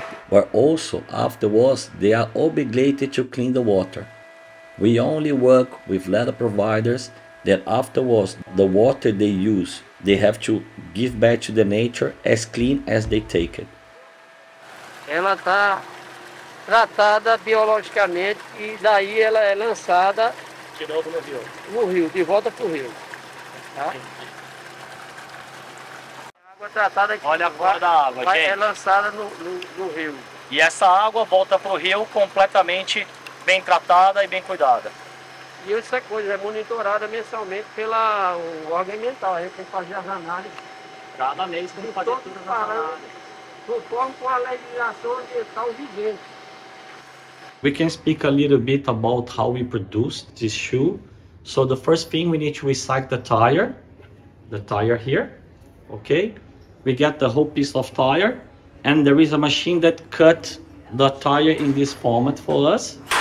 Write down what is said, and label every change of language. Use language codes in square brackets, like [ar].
[en] But also, afterwards, they are obligated to clean the water. We only work with leather providers that afterwards, the water they use, they have to give back to the nature as clean as they take it. [pt] Ela está tratada biologicamente e daí ela é lançada de novo no rio. No rio, de volta pro rio. Tá? Olha a cor da água, gente. É lançada no rio. E essa água volta para o rio completamente bem tratada e bem cuidada. E essa coisa é monitorada mensalmente pela órgão ambiental. Aí tem que fazer as análises. Cada mês tem que fazer todas as análises. Conforme com a legislação de tal vigente. [en] We can speak a little bit about how we produce this shoe. So the first thing, we need to recycle the tire here. Okay, we get the whole piece of tire, and there is a machine that cut the tire in this format for us.